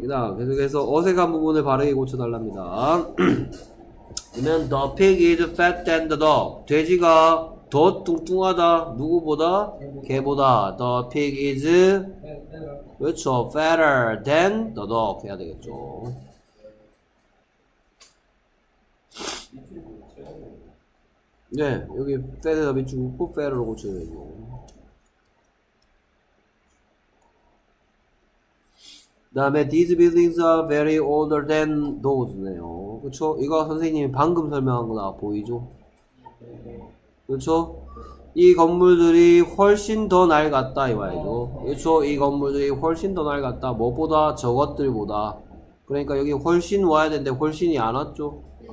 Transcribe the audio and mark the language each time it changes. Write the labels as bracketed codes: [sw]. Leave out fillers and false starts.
[ko] 그 다음 계속해서 어색한 부분을 바르게 고쳐달랍니다. 그러면 [en] the pig is fat than the dog. [ko] 돼지가 더 뚱뚱하다. 누구보다? 개보다. [en] The pig is [ko] 그렇죠. [en] fatter than the dog [ko] 해야 되겠죠. 네, 여기 fat에다 밑줄고 fatter로 고쳐야 되고. 다음에 [en] these buildings are very older than those네요. [ko] 그쵸? 이거 선생님이 방금 설명한 거 나 보이죠? 그쵸? 이 건물들이 훨씬 더 낡았다 이 말이죠. 그쵸? 이 건물들이 훨씬 더 낡았다. 무엇보다 저것들보다. 그러니까 여기 훨씬 와야 되는데 훨씬이 안 왔죠?